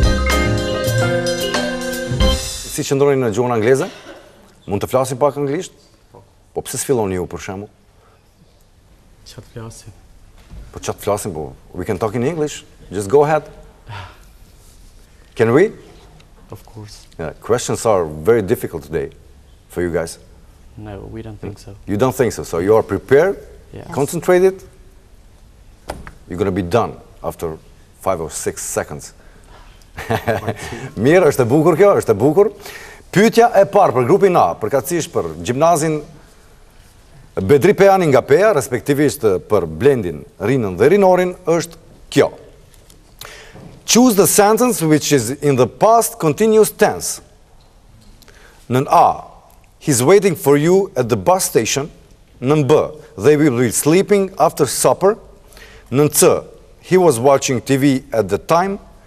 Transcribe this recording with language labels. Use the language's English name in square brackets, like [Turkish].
[Albanian] Si qëndroni në gjuhën angleze? Mund të flasim pak anglisht? Po pse s'filloni ju për shembull? Çfarë flasim? Po çfarë flasim? [English] Po we can talk in English. Just go ahead. Can we? Of course. Yeah, questions are very difficult today for you guys. No, we don't think so. You don't think so. So you are prepared? Yes. Concentrated? You're going to be done after 5 or 6 seconds. [Albanian] Mirë, është e bukur kjo, është e bukur. Pyetja e parë për grupin A, përkatësisht për gjimnazin Bedri Pejani nga Peja, respektivisht për Blendin, Rinën dhe Rinorin, është kjo. [English] Choose the sentence which is in the past continuous tense. [Albanian] Nën A, [English] he's waiting for you at the bus station. [Albanian] Nën B, [English] they will be sleeping after supper. [Albanian] Nën C, [English] he was watching TV at the time.